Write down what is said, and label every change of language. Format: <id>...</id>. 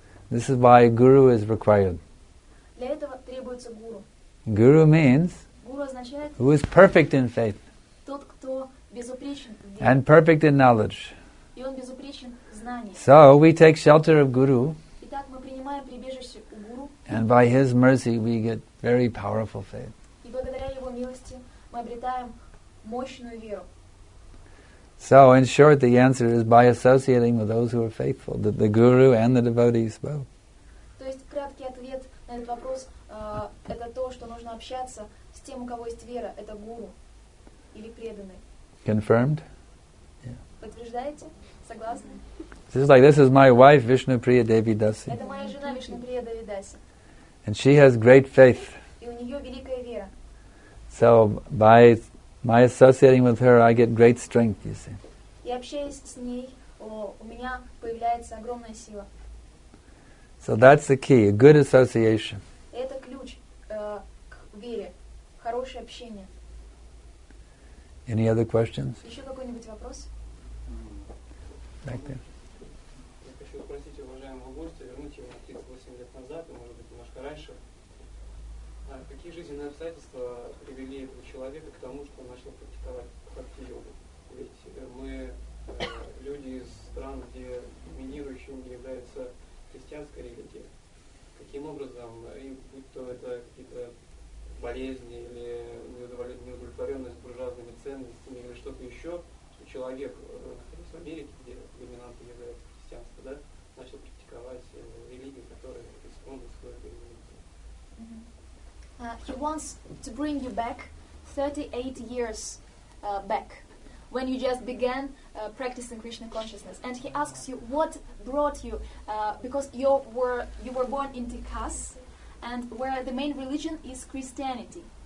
<en>This is why a guru is required.</en> <ru>Для этого требуется гуру.</ru> <en>Guru means</en> <ru>guru означает</ru> <en>who is perfect in faith.</en> <ru>Тот, кто безупречен в вере.</ru> <en>And perfect in knowledge.</en> <ru>И он безупречен в знании.</ru> <en>So we take shelter of guru.</en> <ru>Итак, мы принимаем прибежище у гуру.</ru> <en>And by his mercy we get very powerful faith.</en> <ru>И благодаря его милости мы обретаем мощную веру.</ru> <en>So, in short, the answer is by associating with those who are faithful, the guru and the devotees both.</en> <ru>То есть краткий ответ на этот вопрос это то, что нужно общаться с тем, у кого есть вера, это гуру или преданный.</ru> <en>Confirmed?</en> <ru>Yeah. Подтверждаете? Согласны?</ru> <en>This is like, this is my wife, Vishnupriya Devi Dasi.</en> <ru>Это моя жена, Вишнуприя Деви Даси.</ru> <en>And she has great faith.</en> <ru>И у нее великая вера.</ru> <en>So, by my associating with her, I get great strength, you see.</en> <ru>И общаясь с ней, у меня появляется огромная сила.</ru> <en>So that's the key, a good association.</en> <ru>Это ключ к вере, хорошее общение.</ru> <en>Any other questions?</en> <ru>Еще какой-нибудь вопрос?</ru> <en>Back there.</en> <ru>Я хочу попросить уважаемого гостя вернуть его 38 лет назад, может быть, немножко раньше. Какие жизненные обстоятельства привели этого человека к тому, что он начал практиковать бхакти-йогу? Ведь мы люди из стран, где доминирующим является христианская религия. Каким образом, и будь то это какие-то болезни или неудовлетворенность буржуазными ценностями или что-то еще, что человек в Америке, где доминантом является христианство, да, начал практиковать религию, которая исконно исходит из религии.</ru> <en>He wants to bring you back 38 years back, when you just began practicing Krishna consciousness. And he asks you, what brought you, because you were born in Tikas, and where the main religion is Christianity.</en>